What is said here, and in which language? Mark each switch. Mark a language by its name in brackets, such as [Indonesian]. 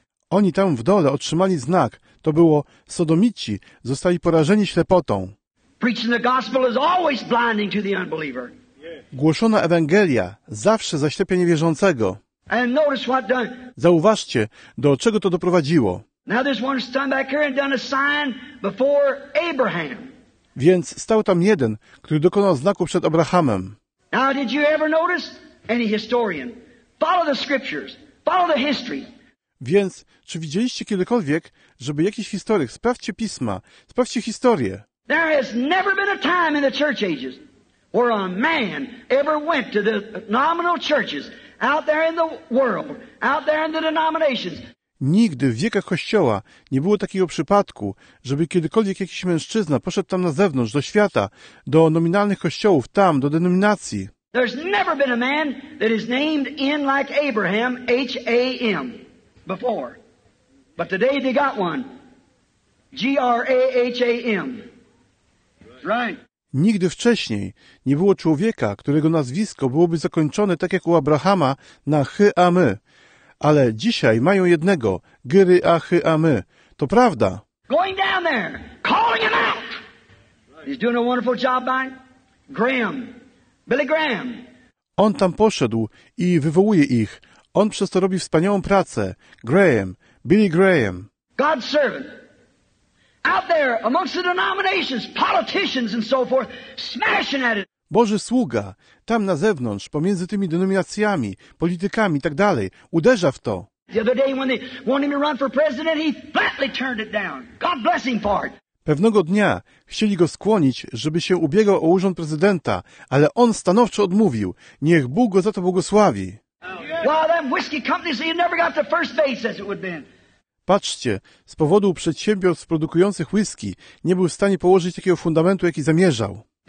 [Polish] Oni tam w dole otrzymali znak. To było, Sodomici zostali porażeni ślepotą. [English] Preaching the gospel is always blinding to the unbeliever. [Polish] Głoszona Ewangelia zawsze zaślepia niewierzącego. [English] And notice what done. [Polish] Zauważcie, do czego to doprowadziło. [English] Now there's one stand back here and done a sign before Abraham. [Polish] Więc stał tam jeden, który dokonał znaku przed Abrahamem. [English] Now did you ever notice any historian? Follow the scriptures. Follow the history. [Polish] Więc czy widzieliście kiedykolwiek, żeby jakiś historyk, sprawdźcie pisma, sprawdźcie historię. [English] There has never been a time in the church ages where a man ever went to the nominal churches out there in the world, out there in the denominations. [Polish] Nigdy w wiekach Kościoła nie było takiego przypadku, żeby kiedykolwiek jakiś mężczyzna poszedł tam na zewnątrz, do świata, do nominalnych kościołów, tam, do denominacji. [English] There's never been a man that is named in like Abraham, H-A-M, before. But today they got one, G-R-A-H-A-M. [Polish] Nigdy wcześniej nie było człowieka, którego nazwisko byłoby zakończone tak jak u Abrahama na H-A-M-y. Ale dzisiaj mają jednego, G-R-A-H-A-M-y. To prawda. [English] Going down there, calling him out. He's doing a wonderful job by Graham, Billy Graham. [Polish] On tam poszedł i wywołuje ich. On przez to robi wspaniałą pracę. [English] Graham, Billy Graham. God's servant. Out there, amongst the denominations, politicians and so forth, smashing at it. [Polish] Boży sługa, tam na zewnątrz, pomiędzy tymi denominacjami, politykami i tak dalej, uderza w to. [English] The other day when they wanted him to run for president, he flatly turned it down. God bless him for it. [Polish] Pewnego dnia chcieli go skłonić, żeby się ubiegał o urząd prezydenta, ale on stanowczo odmówił. Niech Bóg go za to błogosławi. [English] Well, them whiskey companies, they never got the first base as it would have been. [Polish] Patrzcie, z powodu przedsiębiorstw produkujących whisky nie był w stanie położyć takiego fundamentu, jaki zamierzał.